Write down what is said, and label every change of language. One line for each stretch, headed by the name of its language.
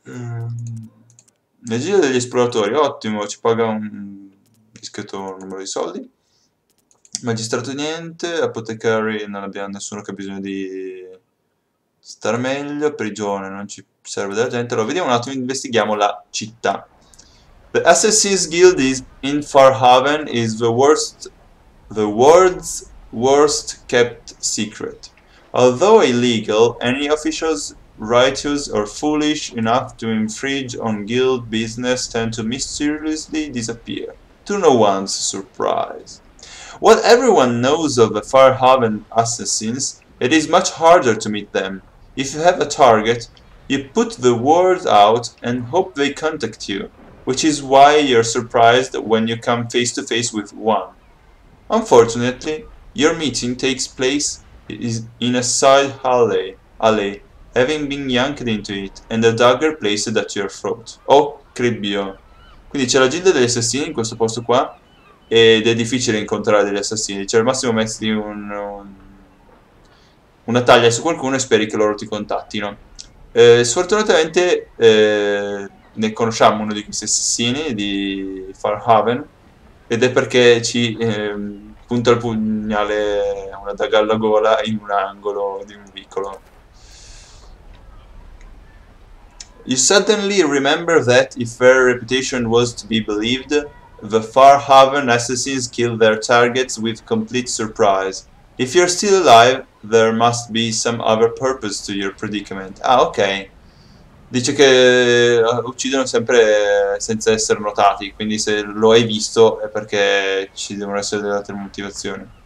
Italian: Energia degli esploratori, ottimo, ci paga un discreto numero di soldi. Magistrato niente, apothecary non abbiamo nessuno che ha bisogno di star meglio, prigione non ci serve della gente. Allora, vediamo un attimo, investighiamo la città.
English: The Assassin's Guild is in Farhaven is the world's worst kept secret. Although illegal, any officials righteous or foolish enough to infringe on guild business tend to mysteriously disappear, to no one's surprise. What everyone knows of the Farhaven assassins, it is much harder to meet them. If you have a target, you put the word out and hope they contact you, which is why you're surprised when you come face to face with one. Unfortunately, your meeting takes place in a side alley. Having been yanked into it and a dagger placed at your throat.
Italian: Oh, cribbio. Quindi c'è la gilda degli assassini in questo posto qua. Ed è difficile incontrare degli assassini. Cioè, al massimo metti una taglia su qualcuno e speri che loro ti contattino. Sfortunatamente, ne conosciamo uno di questi assassini di Farhaven. Ed è perché ci punta il pugnale, una daga alla gola, in un angolo di un vicolo.
English: You suddenly remember that if her reputation was to be believed, the Farhaven assassins kill their targets with complete surprise. If you're still alive, there must be some other purpose to your predicament. Ah, ok.
Italian: Dice che uccidono sempre senza essere notati, quindi se lo hai visto è perché ci devono essere delle altre motivazioni.